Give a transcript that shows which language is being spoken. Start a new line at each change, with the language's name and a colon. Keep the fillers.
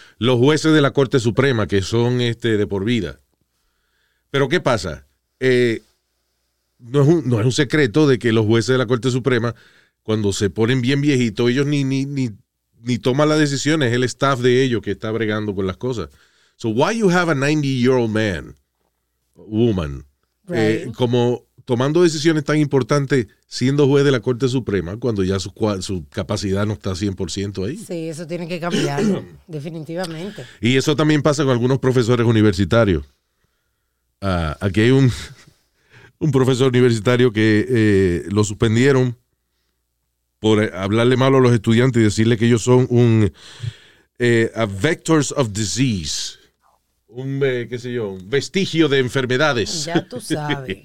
Spanish: los jueces de la Corte Suprema, que son este de por vida. Pero, ¿qué pasa? Eh, no, es un, no, es un, secreto de que los jueces de la Corte Suprema, cuando se ponen bien viejitos, ellos ni, ni, ni, ni toman las decisiones, es el staff de ellos que está bregando con las cosas.
English: So, why you have a 90-year-old Woman. Right.
Spanish: Eh, como tomando decisiones tan importantes siendo juez de la Corte Suprema cuando ya su, cual, su capacidad no está 100% ahí. Sí, eso tiene que cambiar, definitivamente. Y eso también pasa con algunos profesores universitarios. Uh, aquí hay un, un, profesor universitario que eh, lo suspendieron por hablarle mal a los estudiantes y decirle que ellos son un eh,
English: a vectors of disease
Spanish: un, eh, qué sé yo, un vestigio de enfermedades. Ya tú sabes.